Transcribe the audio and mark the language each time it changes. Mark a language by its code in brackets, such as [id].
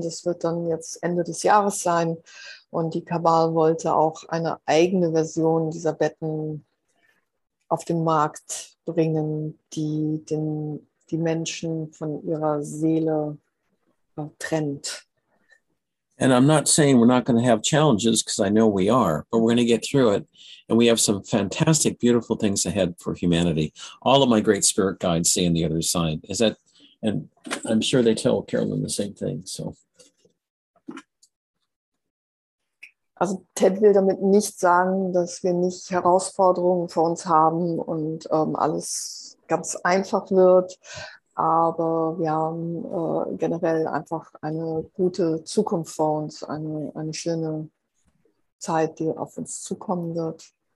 [de] Das wird dann jetzt Ende des Jahres sein. Und die Kabal wollte auch eine eigene Version dieser Betten auf den Markt bringen, die die Menschen von ihrer Seele trennt. [en] And I'm not saying we're not going to have challenges, because I know we are, but we're going to get through it. And we have some fantastic, beautiful things ahead for humanity. All of my great spirit guides see on the other side. Is that, and I'm sure they tell Carolyn the same thing. So. [de] Also Ted will damit nicht sagen, dass wir nicht Herausforderungen vor uns haben und alles ganz einfach wird. Aber wir haben generell einfach eine gute Zukunft vor uns, eine schöne Zeit, die auf uns zukommen wird.